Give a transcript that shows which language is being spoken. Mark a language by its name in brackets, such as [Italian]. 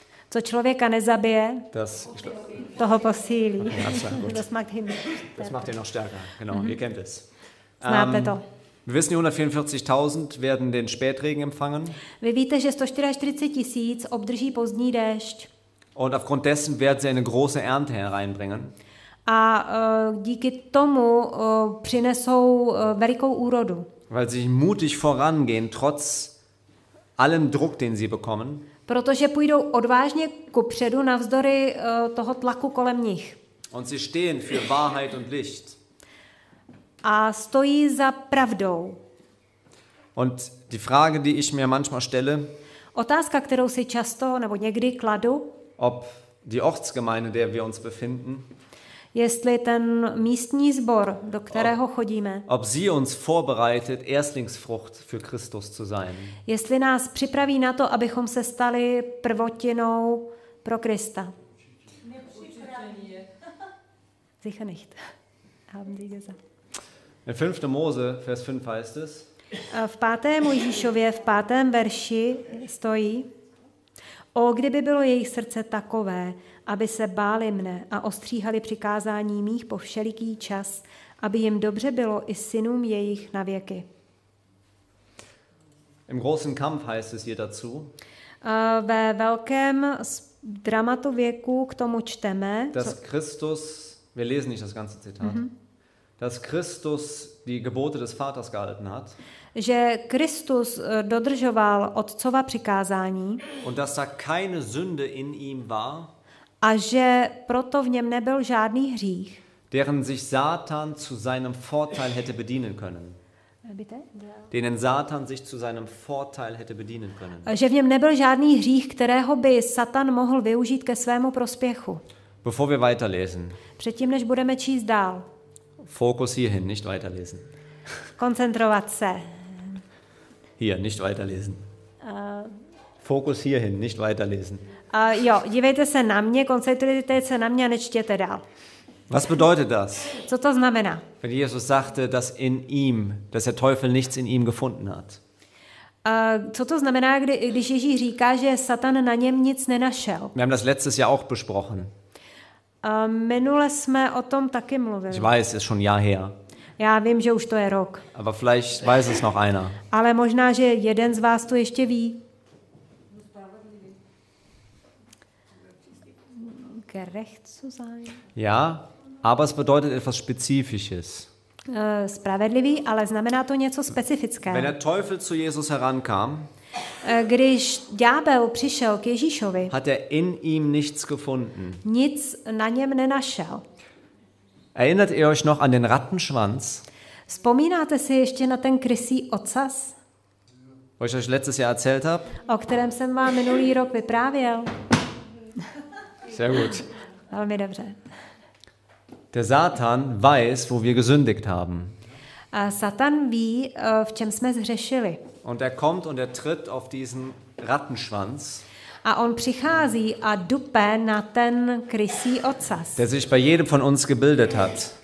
[Czech] co člověka nezabije, toho posílí. [German] Das macht ihn noch stärker. Genau, ihr kennt es. [Czech] Znáte to. [German] Wir wissen, die 144.000 werden den Spätregen empfangen. [Czech] Vy víte, že 144.000 obdrží pozdní déšť. [German] Und aufgrund dessen werden sie eine große Ernte hereinbringen. [Czech] A díky tomu přinesou velikou úrodu. [German] Weil sie mutig vorangehen, trotz allem Druck, den sie bekommen. [Czech] Protože půjdou odvážně kupředu navzdory toho tlaku kolem nich. [German] Und sie stehen für Wahrheit und Licht. [Czech] A stojí za pravdou. [German] Und die Frage, die ich mir manchmal stelle, [Czech] otázka, kterou si často nebo někdy kladu, [German] ob die Ortsgemeinde, der wir uns befinden, [Czech] jestli ten místní sbor, do kterého chodíme, [German] ob sie uns vorbereitet, Erstlingsfrucht für Christus zu sein, [Czech] jestli nás připraví na to, abychom se stali prvotinou pro Krista. [German] Sicher nicht. Haben Sie gesagt. In 5. Mose, Vers 5 heißt es. [Czech] V 5. Mojžíšově, v 5. verši stojí: O, kdyby bylo jejich srdce takové, aby se báli mne a ostříhali přikázání mých po všeliký čas, aby jim dobře bylo i synům jejich na věky. [German] Im großen Kampf heißt es hier dazu. [Czech] Ve velkém dramatu věku k tomu čteme, [German] dass Christus, wir lesen nicht das ganze Zitat. Mm-hmm. Dass Christus die Gebote des Vaters gehalten hat. [Czech] Že Kristus dodržoval otcova přikázání. [German] Und dass da keine Sünde in ihm war. [Czech] A že proto v něm nebyl žádný hřích. [German] Deren sich Satan zu seinem Vorteil hätte bedienen können. Bitte? Denen Satan sich zu seinem Vorteil hätte bedienen können. [Czech] Že v něm nebyl žádný hřích, kterého by Satan mohl využít ke svému prospěchu. [German] Bevor wir weiterlesen. [Czech] Předtím, než budeme číst dál. [German] Fokus hierhin, nicht weiterlesen. [Czech] Konzentrovat se. [German] Hier, nicht weiterlesen. Fokus hierhin, nicht weiterlesen. [Czech] Jo, dívejte se na mě, koncentrujte se na mě a nečtěte dál. [German] Was bedeutet das? [Czech] Co to znamená? [German] Wenn Jesus sagte, dass in ihm, dass der Teufel nichts in ihm gefunden hat. [Czech] Co to znamená, když Ježíš říká, že Satan na něm nic nenašel? [German] Wir haben das letztes Jahr auch besprochen. [Czech] Minule jsme o tom taky mluvili. [German] Ich weiß, es ist schon Jahr her. [Czech] Já vím, že už to je rok. [German] Aber vielleicht weiß es noch einer. [Czech] Ale možná, že jeden z vás to ještě ví. [German] Gerecht zu sein. Ja, aber es bedeutet etwas Spezifisches. [Czech] Spravedlivý, ale znamená to něco specifického. [German] Wenn der Teufel zu Jesus herankam, [Czech] když ďábel přišel k Ježíšovi, [German] hat er in ihm nichts gefunden. [Czech] Nic na něm nenašel. [German] Erinnert ihr euch noch an den Rattenschwanz? [Czech] Vzpomínáte si ještě na ten krysí ocas? [German] Wo ich euch letztes Jahr erzählt hab? [Czech] O kterém jsem vám minulý rok vyprávěl. [German] Sehr gut. [Czech] Velmi dobře. [German] Der Satan weiß, wo wir gesündigt haben. [Czech] A Satan ví, v čem jsme zhřešili. [German] Und er kommt und er tritt auf diesen Rattenschwanz. [Czech] A on přichází a dupe na ten krysí ocas. [German] Der sich bei jedem von uns gebildet hat.